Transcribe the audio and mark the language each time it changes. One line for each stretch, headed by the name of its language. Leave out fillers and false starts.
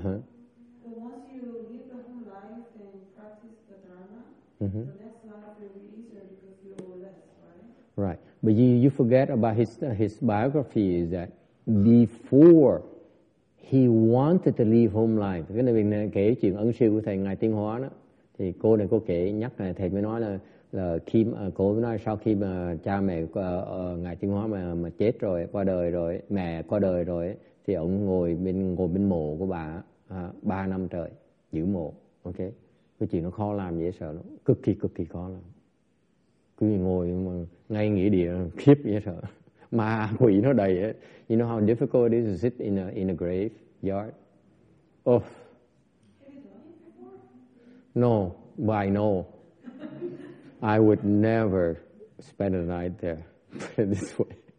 English: So once you live the whole life and practice the Dharma, the next life will be easier because you owe less, right? Right. But you forget about his biography is that before he wanted to leave home life.
Vietnamese: Cái này mình kể chuyện ân sư của thầy Ngài Tiên Hóa đó. Thì cô này có kể nhắc này thầy mới nói là khi cô mới nói sau khi mà cha mẹ Ngài Tiên Hóa mà chết rồi, qua đời rồi, mẹ qua đời rồi thì ông ngồi bên mộ của bà 3 năm trời giữ mộ. Ok, cái chuyện nó khó làm dễ sợ lắm, cực kỳ khó lắm. Cứ ngồi mà ngay nghĩa địa khiếp dễ sợ, ma quỷ nó đầy ấy.
English: You know how difficult it is to sit in a graveyard. Oh no, why no? I would never spend a night there, put it this way.